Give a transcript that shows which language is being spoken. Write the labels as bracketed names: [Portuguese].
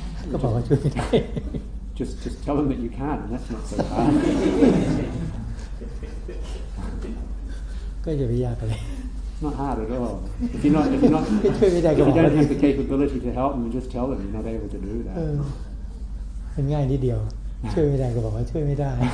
[Thai] ก็บอกเขาแค่นั้นไม่ยากเลยก็บอกว่าช่วยไม่ได้ [English] Just tell them that you can, and that's not so hard. [Thai] ก็อย่าไปยากเลย [English] Not hard at all. If you don't have the capability to help them, just tell them you're not able to do that. [Thai] เป็นง่ายนิดเดียว ช่วยไม่ได้ก็บอกว่าช่วยไม่ได้